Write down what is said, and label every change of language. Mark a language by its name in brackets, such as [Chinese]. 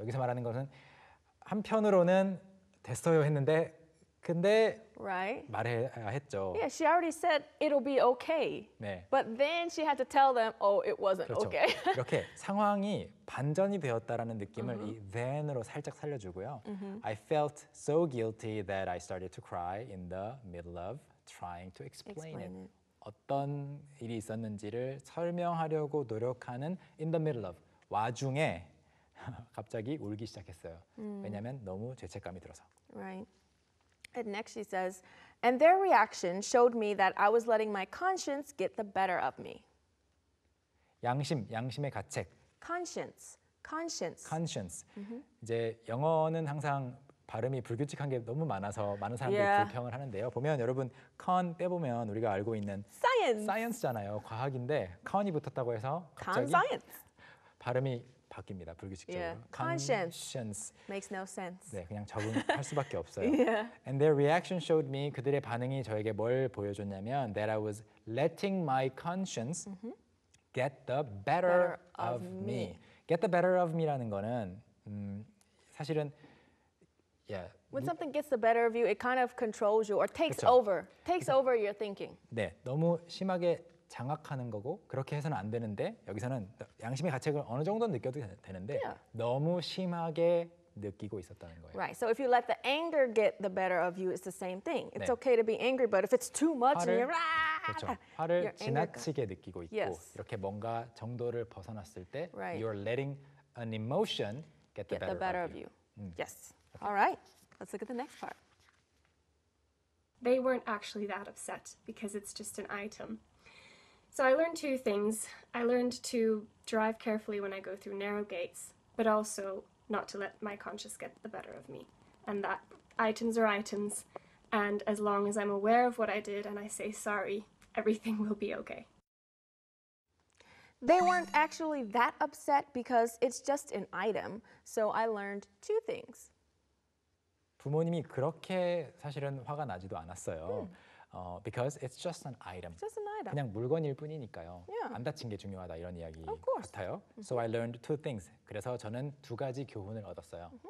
[Korean] 여기서 말하는 것은 한편으로는 됐어요 했는데 근데 [English] right. [Korean] 말해야 했죠. [English] Yeah, she already said it'll be okay. [Korean] 네. [English] But then she had to tell them, oh, it wasn't [Korean] 그렇죠. [English] okay. [Korean] 이렇게 상황이 반전이 되었다라는 느낌을 mm-hmm. 이 then으로 살짝 살려주고요. Mm-hmm. [English] I felt so guilty that I started to cry in the middle of trying to explain it. [Korean] 어떤 일이 있었는지를 설명하려고 노력하는 [English] in the middle of [Korean] 와중에 갑자기 울기 시작했어요. Mm. 왜냐하면 너무 죄책감이 들어서. [English] Right. And next she says, and their reaction showed me that I was letting my conscience get the better of me. [Korean] 양심, 양심의 가책. [English] Conscience. Mm-hmm. [Korean] 이제 영어는 항상 발음이 불규칙한 게 너무 많아서 많은 사람들이 [English] yeah. [Korean] 불평을 하는데요. 보면 여러분, con 빼보면 우리가 알고 있는 [English] science잖아요. [Korean] 과학인데 con이 붙었다고 해서 갑자기 [English] conscience. [Korean] 발음이 바뀝니다. 불규칙적으로. [English] Yeah. Conscience. Makes no sense. [Korean] 네, 그냥 적응할 수밖에 없어요. [English] yeah. And their reaction showed me, [Korean] 그들의 반응이 저에게 뭘 보여줬냐면 [English] that I was letting my conscience get the better of me. Get the better of me [Korean] 라는 거는 사실은 [English] Yeah. When something gets the better of you, it kind of controls you or takes [Korean] 그쵸. [English] over. Takes [Korean] 그쵸. [English] over your thinking. [Korean] 네, 너무 심하게 장악하는 거고 그렇게 해서는 안 되는데 여기서는 양심의 가책을 어느 정도는 느껴도 되는데 [English] yeah. [Korean] 너무 심하게 느끼고 있었다는 거예요. [English] Right. So if you let the anger get the better of you, it's the same thing. It's [Korean] 네. [English] okay to be angry, but if it's too much, [Korean] 화를, [English] you're like, [Korean] 그렇죠. 화를 지나치게 느끼고 있고 [English] yes. [Korean] 이렇게 뭔가 정도를 벗어났을 때 [English] right. you're letting an emotion get the better of you. Yes. All right, let's look at the next part. They weren't actually that upset because it's just an item. So I learned two things. I learned to drive carefully when I go through narrow gates, but also not to let my conscience get the better of me. And that items are items. And as long as I'm aware of what I did and I say sorry, everything will be okay. They weren't actually that upset because it's just an item. So I learned two things. [Korean] 부모님이 그렇게 사실은 화가 나지도 않았어요. [English] Because it's just an item. It's just an item. [Korean] 그냥 물건일 뿐이니까요. [English] Yeah. [Korean] 안 다친 게 중요하다 이런 이야기 [English] of course. [Korean] 같아요. [English] So I learned two things. [Korean] 그래서 저는 두 가지 교훈을 얻었어요.